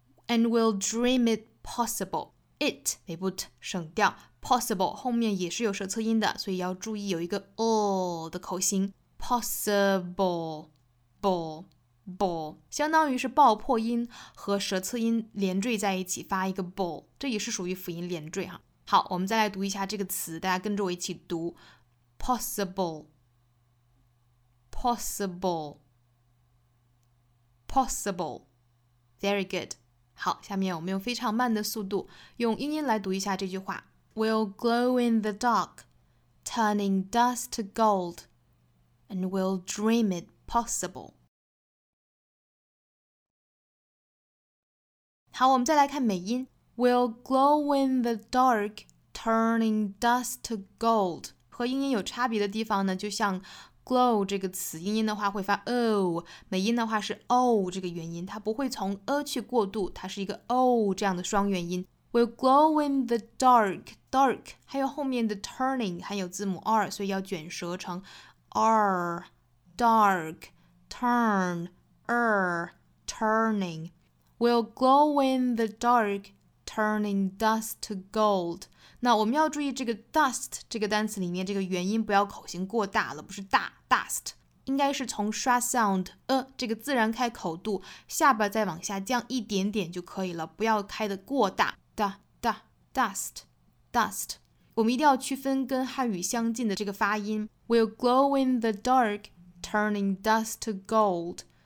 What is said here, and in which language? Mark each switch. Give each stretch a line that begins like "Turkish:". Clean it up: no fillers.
Chinese: and will dream it possible， it 没 put 省掉， possible 后面也是有舌侧音的，所以要注意有一个 o 的口型 possible ball ball， 相当于是爆破音和舌侧音连缀在一起发一个 ball， 这也是属于辅音连缀哈。好，我们再来读一下这个词，大家跟着我一起读 possible possible possible， very good。好，下面我们用非常慢的速度用英音来读一下这句话， will glow in the dark turning dust to gold and will dream it possible。好，我们再来看美音， will glow in the darkTurning dust to gold，和英音有差别的地方呢，就像 glow 这个词，英音的话会发 o， 美音的话是 o 这个元音，它不会从 a 去过渡，它是一个 o 这样的双元音。
English: Will glow in the dark， dark，还有后面的 turning， 还有字母 r，所以要卷舌成 r， dark， turn， turning。 Will glow in the dark， turning dust to gold。
Chinese: 那我们要注意这个 dust 这个单词里面这个元音不要口型过大了，不是大 dust， 应该是从 schwa sound、这个自然开口度下巴再往下降一点点就可以了，不要开得过大 da, da, dust dust， 我们一定要区分跟汉语相近的这个发音， will glow in the dark turning dust to gold